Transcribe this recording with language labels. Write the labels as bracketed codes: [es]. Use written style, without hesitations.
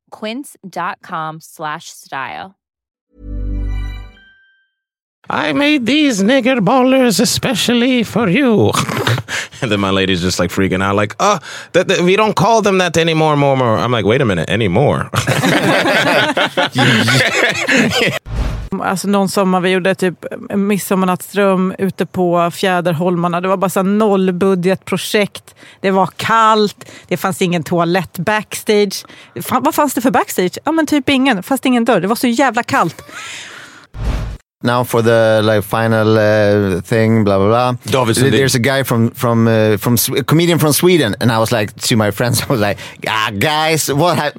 [en] Quince.com/style. I made these nigger ballers especially for you. And then my lady's just like freaking out, like, oh, we don't call them that anymore, more. I'm like, wait a minute, anymore. [sv] Alltså någon sommar vi gjorde typ midsommarnattsdröm ute på Fjäderholmarna. Det var bara så nollbudgetprojekt. Det var kallt. Det fanns ingen toalett backstage. Vad fanns det för backstage? Ja men typ ingen. Fast ingen dörr. Det var så jävla kallt. [en] Now for the like final thing, blah blah blah. Obviously. There's a guy from a comedian from Sweden, and I was like to my friends, I was like, ah, guys, what?